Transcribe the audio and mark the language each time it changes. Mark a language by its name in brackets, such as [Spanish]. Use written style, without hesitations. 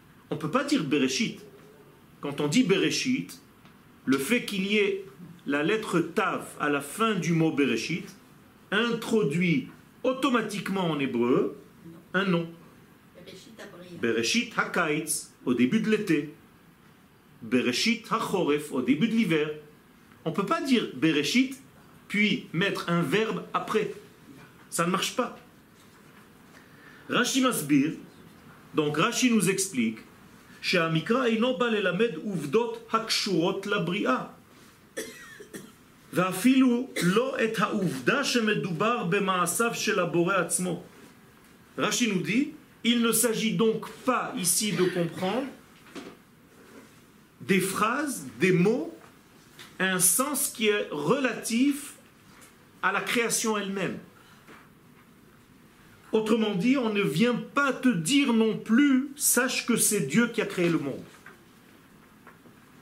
[French] On ne peut pas dire Bereshit. Quand on dit Bereshit, le fait qu'il y ait la lettre Tav à la fin du mot Bereshit introduit automatiquement en hébreu un nom. Bereshit HaKaitz, au début de l'été. Bereshit HaChoref, au début de l'hiver. On ne peut pas dire Bereshit, puis mettre un verbe après. Ça ne marche pas. [Hebrew] Rashi Masbir, [French] donc Rashi nous explique [Hebrew] שהמקרא אינו בא ללמד עובדות הקשורות לבריאה. ואפילו לא את העובדה שמדובר במעשיו של הבורא עצמו. [French] רשי nous dit, il ne s'agit donc pas ici de comprendre des phrases, des mots un sens qui est relatif à la création elle-même. Autrement dit, on ne vient pas te dire non plus « sache que c'est Dieu qui a créé le monde ».